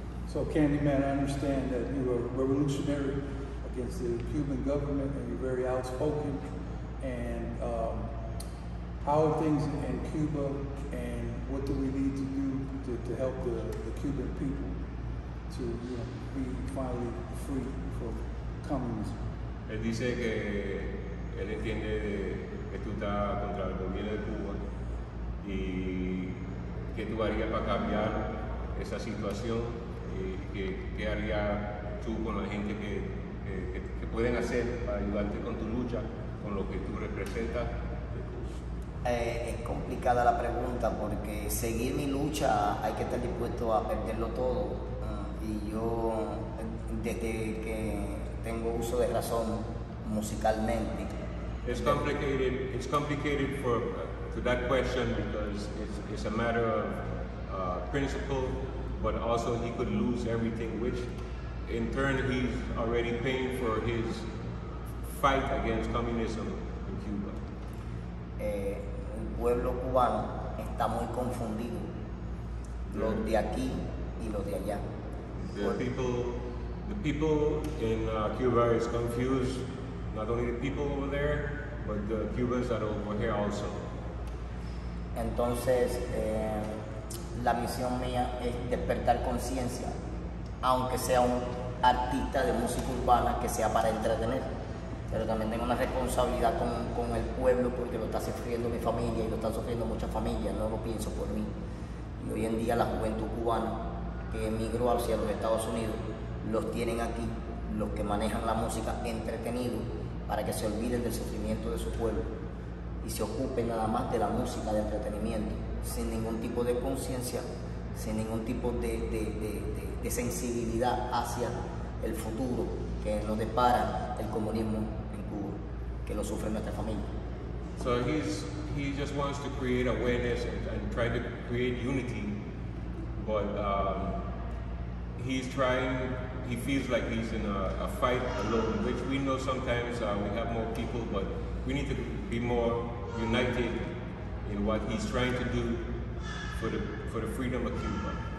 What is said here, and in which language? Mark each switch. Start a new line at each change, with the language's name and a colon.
English: So Kandyman, I understand that you were revolutionary against the Cuban government and you're very outspoken. And how are things in Cuba and what do we need to do to help the Cuban people to, you know, be finally free from communism?
Spanish: Él dice que él entiende que tú estás contra el gobierno de Cuba y qué tú harías para cambiar esa situación. ¿Qué haría tú con la gente que pueden hacer para ayudarte con tu lucha, con lo que tú representas? Es complicada la pregunta porque seguir mi lucha hay que estar dispuesto a perderlo todo. Y yo, desde que tengo uso de razón musicalmente.
English: It's complicated. It's complicated for that question because it's a matter of principle. But also he could lose everything, which in turn he's already paying for his fight against communism in Cuba.
Spanish: El pueblo cubano está muy confundido, los de aquí y los de allá.
English: The people in Cuba is confused, not only the people over there, but the Cubans that are over here also.
Spanish: Entonces, la misión mía es despertar conciencia, aunque sea un artista de música urbana que sea para entretener. Pero también tengo una responsabilidad con el pueblo porque lo está sufriendo mi familia y lo están sufriendo muchas familias, no lo pienso por mí. Y hoy en día la juventud cubana que emigró hacia los Estados Unidos, los tienen aquí, los que manejan la música entretenido, para que se olviden del sufrimiento de su pueblo y se ocupen nada más de la música de entretenimiento. Sin ningún tipo de conciencia, sin ningún tipo de sensibilidad hacia el futuro que nos depara el comunismo en Cuba, que lo sufre nuestra familia.
English: So he just wants to create awareness and try to create unity, but he feels like he's in a fight alone, which we know sometimes we have more people, but we need to be more united in what he's trying to do for the freedom of Cuba.